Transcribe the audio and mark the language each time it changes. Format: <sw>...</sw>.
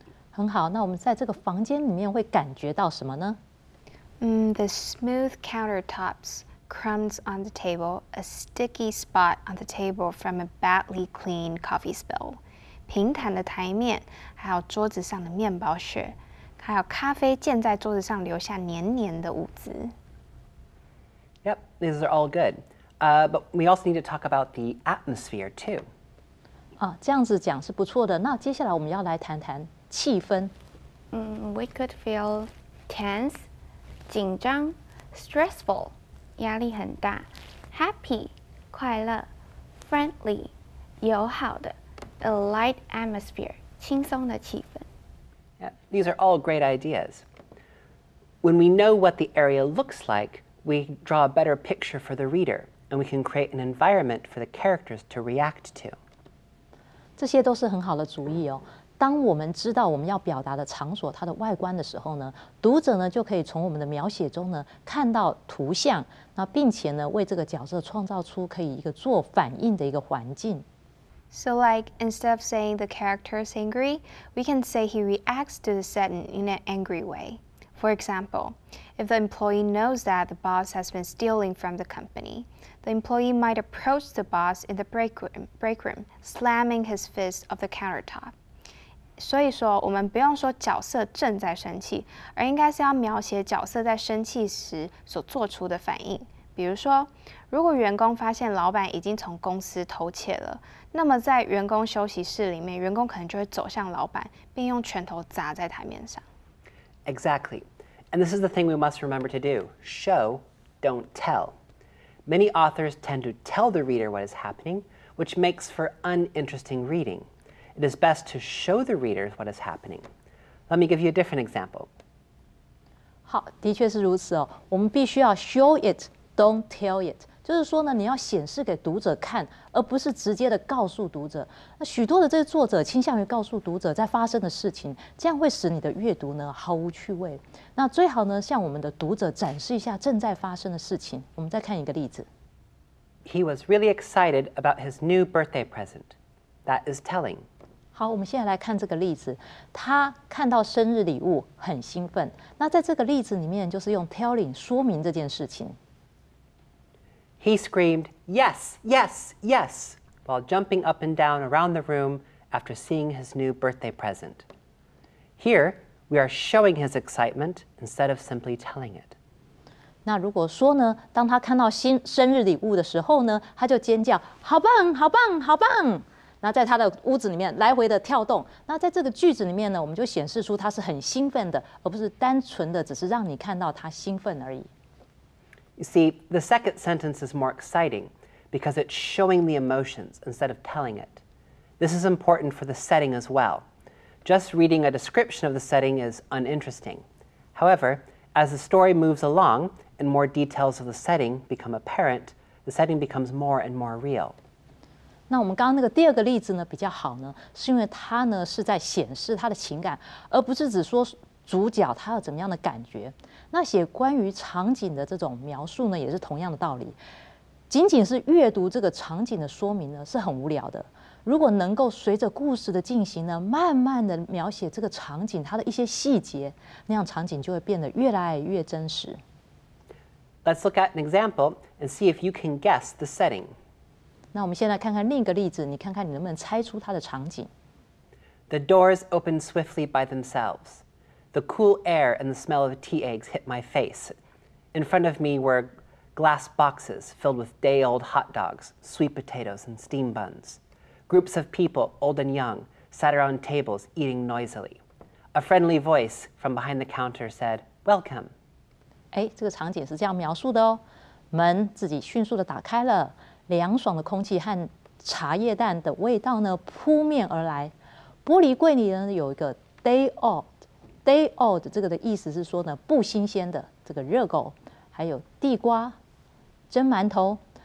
<zh>很好，那我们在这个房间里面会感觉到什么呢？</zh> <en>The smooth countertops, crumbs on the table, a sticky spot on the table from a badly cleaned coffee spill.</en> <zh>平坦的台面，还有桌子上的面包屑，还有咖啡溅在桌子上留下黏黏的污渍。</zh> <en>Yep, these are all good. But we also need to talk about the atmosphere too.</en> <zh>啊，这样子讲是不错的。那接下来我们要来谈谈气氛。</zh> <en>We could feel tense.</en> <zh>紧张</zh> <en>stressful,</en> <zh>压力很大</zh> <en>happy,</en> <zh>快乐</zh> <en>friendly,</en> <zh>友好的</zh> <en>a light atmosphere,</en> <zh>轻松的气氛</zh> <en>yeah, These are all great ideas. When we know what the area looks like, we draw a better picture for the reader, and we can create an environment for the characters to react to.</en> <zh>这些都是很好的主意哦。当我们知道我们要表达的场所它的外观的时候呢，读者呢就可以从我们的描写中呢看到图像，那并且呢为这个角色创造出可以一个做反应的一个环境。</zh> <en>So like instead of saying the character is angry, we can say he reacts to the setting in an angry way. For example, if the employee knows that the boss has been stealing from the company, the employee might approach the boss in the break room, slamming his fist of the countertop.</en> <zh>所以说我们不用说角色正在生气，而应该是要描写角色在生气时所做出的反应。比如说，如果员工发现老板已经从公司偷窃了，那么在员工休息室里面，员工可能就会走向老板，并用拳头砸在台面上。</zh> <en>Exactly. And this is the thing we must remember to do. Show, don't tell. Many authors tend to tell the reader what is happening, which makes for uninteresting reading. It is best to show the readers what is happening. Let me give you a different example.</en> <zh>好，的确是如此哦。我们必须要</zh> <en>show it, don't tell it.</en> <zh>就是说呢，你要显示给读者看，而不是直接的告诉读者。那许多的这些作者倾向于告诉读者在发生的事情，这样会使你的阅读呢毫无趣味。那最好呢，向我们的读者展示一下正在发生的事情。我们再看一个例子。</zh> <en>He was really excited about his new birthday present. That is telling.</en> <zh>好，我们现在来看这个例子。他看到生日礼物很兴奋。那在这个例子里面，就是用 telling 说明这件事情。</zh> <en>He screamed, "Yes, yes, yes!" while jumping up and down around the room after seeing his new birthday present. Here, we are showing his excitement instead of simply telling it.</en> <zh>那如果说呢，当他看到新生日礼物的时候呢，他就尖叫，好棒，好棒，好棒！那在他的屋子里面来回的跳动，那在这个句子里面呢，我们就显示出他是很兴奋的，而不是单纯的只是让你看到他兴奋而已。</zh> <en>You see, the second sentence is more exciting because it's showing the emotions instead of telling it. This is important for the setting as well. Just reading a description of the setting is uninteresting. However, as the story moves along and more details of the setting become apparent, the setting becomes more and more real.</en> <zh>那我们刚刚那个第二个例子呢比较好呢，是因为它呢是在显示它的情感，而不是只说主角他有怎么样的感觉。那写关于场景的这种描述呢，也是同样的道理。仅仅是阅读这个场景的说明呢，是很无聊的。如果能够随着故事的进行呢，慢慢的描写这个场景它的一些细节，那样场景就会变得越来越真实。</zh> <en>Let's look at an example and see if you can guess the setting.</en> <zh>那我们先来看看另一个例子，你看看你能不能猜出它的场景。</zh> <en>The doors open swiftly by themselves. The cool air and the smell of tea eggs hit my face. In front of me were glass boxes filled with day-old hot dogs, sweet potatoes, and steam buns. Groups of people, old and young, sat around tables eating noisily. A friendly voice from behind the counter said, "Welcome."</en> <zh>哎，这个场景是这样描述的哦。门自己迅速的打开了，凉爽的空气和茶叶蛋的味道呢扑面而来。玻璃柜里呢有一个 day old 这个的意思是说呢不新鲜的这个热狗，还有地瓜、蒸馒头。</zh>